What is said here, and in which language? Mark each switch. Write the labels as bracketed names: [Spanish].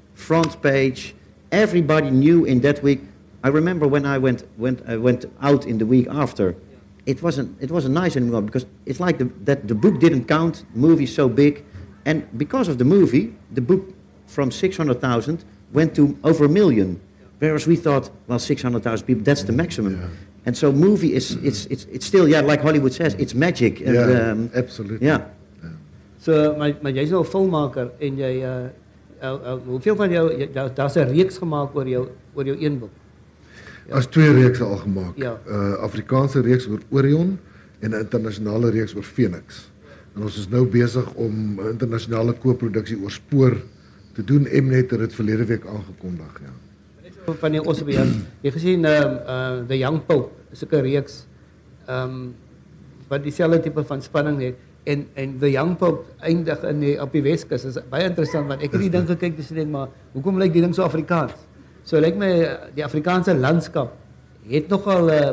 [English] Front page, everybody knew in that week. I remember when I went out in the week after, it wasn't nice anymore, because it's like the book didn't count, movie so big, and because of the movie, the book from 600,000 went to over 1 million, whereas we thought, well, 600,000 people, that's the maximum. Yeah. And so movie is it's still, like Hollywood says, it's magic. And, yeah, absolutely. Yeah. [Afrikaans] So my jy is nou 'n filmmaker en jy hoeveel van jou, daar's 'n reeks gemaak oor jou een boek? Daar's twee reekse al gemaak. Ja. Afrikaanse reeks oor Orion en 'n internasionale reeks oor Phoenix. En ons is nou besig om 'n internasionale koopproduksie oor Spoor te doen. Mnet het verlede week aangekondig, ja. Van die Osbe, jy gesien The Young Pope, sulke reeks wat dieselfde tipe van spanning het, en The Young Pope eindig in die, op die Weskus, is baie interessant, want ek het die ding gekyk, dus denk, maar hoekom lyk die ding so Afrikaans? So lyk my, die Afrikaanse landskap het nogal